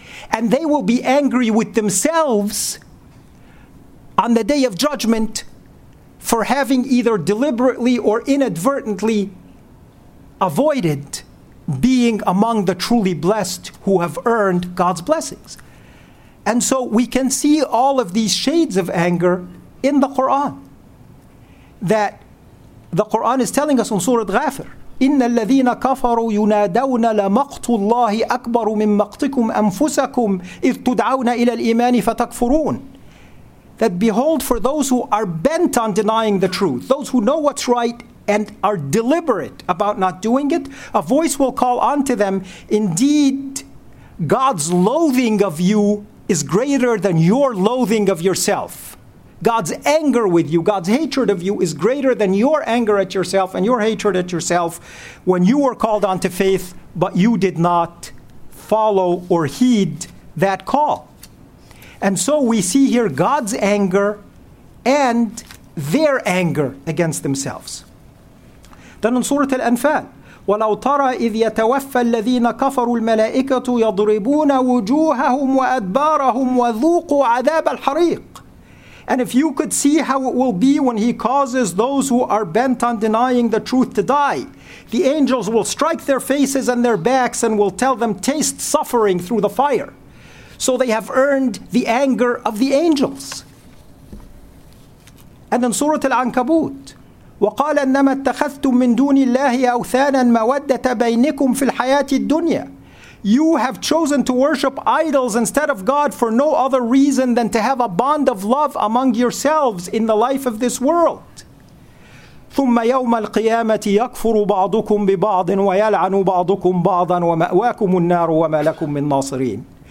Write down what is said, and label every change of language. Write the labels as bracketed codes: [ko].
[en] And they will be angry with themselves on the day of judgment for having either deliberately or inadvertently avoided being among the truly blessed who have earned God's blessings. And so we can see all of these shades of anger in the Quran. That the Quran is telling us in Surah Ghafir, [ar] إِنَّ الَّذِينَ كَفَرُوا يُنَادَوْنَ لَمَقْتُ اللَّهِ أَكْبَرُ مِنْ مَقْتِكُمْ أَنفُسَكُمْ إِذْ تُدْعَوْنَ إِلَى الْإِيمَانِ فَتَكْفُرُونَ. [en] That behold, for those who are bent on denying the truth, those who know what's right and are deliberate about not doing it, a voice will call unto them, indeed, God's loathing of you is greater than your loathing of yourself. God's anger with you, God's hatred of you is greater than your anger at yourself and your hatred at yourself when you were called onto faith, but you did not follow or heed that call. And so we see here God's anger and their anger against themselves. Then in Surah Al-Anfal, [ar] وَلَوْ تَرَى إِذْ يَتَوَفَّى الَّذِينَ كَفَرُوا الْمَلَائِكَةُ يَضْرِبُونَ وُجُوهَهُمْ وَأَدْبَارَهُمْ وَذُوقُوا عَذَابَ الْحَرِيقِ. [en] And if you could see how it will be when he causes those who are bent on denying the truth to die, the angels will strike their faces and their backs and will tell them, taste suffering through the fire. So they have earned the anger of the angels. And in Surah Al-Ankabut, [ar] وَقَالَ أَنَّمَا اتَّخَذْتُم مِّن دُونِ اللَّهِ أَوْثَانًا مَوَدَّةَ بَيْنِكُمْ فِي الْحَيَاةِ الدُّنْيَا. [en] You have chosen to worship idols instead of God for no other reason than to have a bond of love among yourselves in the life of this world. [ar] ثُمَّ يَوْمَ الْقِيَامَةِ يَكْفُرُ بَعْضُكُمْ بِبَعْضٍ وَيَلْعَنُ بَعْضُكُمْ بَعْضًا وَمَأْوَاكُمُ النَّارُ وَمَا لَكُمْ مِنْ نَاصِرِينَ.